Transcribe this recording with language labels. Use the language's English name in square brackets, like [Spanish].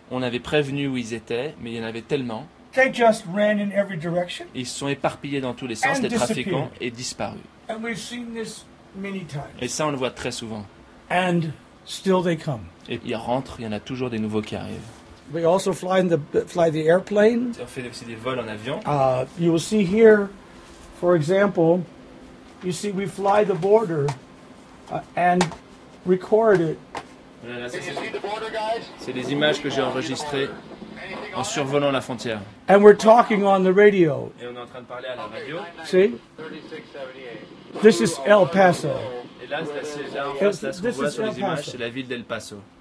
[French] On avait prévenu où ils étaient, mais il y en avait tellement. [English] They just ran in every direction. [French] Ils sont éparpillés dans tous les sens, les trafiquants, et disparus. [English] And we've seen this many times. [French] Et ça, on le voit très souvent. [English] And still they come. [French] Et ils rentrent, il y en a toujours des nouveaux qui arrivent. [English] We also fly the airplane. [French] On fait aussi des vols en avion. [English] You will see here, for example, you see we fly the border and record it. [French] Voilà, c'est des images que j'ai enregistrées en survolant la frontière. [English] And we're talking on the radio. [French] Et on est en train de parler à la radio. [English] See? This is El Paso. [French] Et là, c'est là en face, là, ce qu'on voit sur les images, c'est la ville d'El Paso.